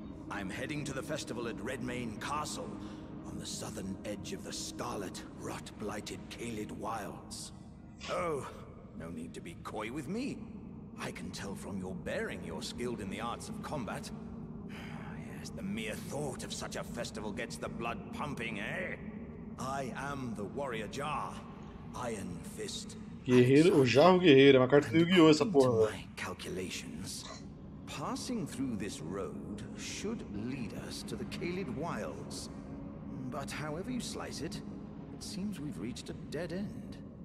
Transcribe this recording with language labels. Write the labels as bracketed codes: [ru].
[en] I'm heading to the festival at Redmain Castle, on the southern edge of the scarlet, rot-blighted Caelid Wilds. Oh, no need to be coy with me. I can tell from your bearing you're skilled in the arts of combat. Yes, the mere thought of such a festival gets the blood pumping, eh? I am the warrior Jar, Iron Fist. [pt] Guerreiro, o Jarro Guerreiro, é uma carta do Yu-Gi-Oh essa porra. [en] My calculations. Passing through this road should lead us to the Caelid Wilds. But however you slice it, it seems we've reached a dead end.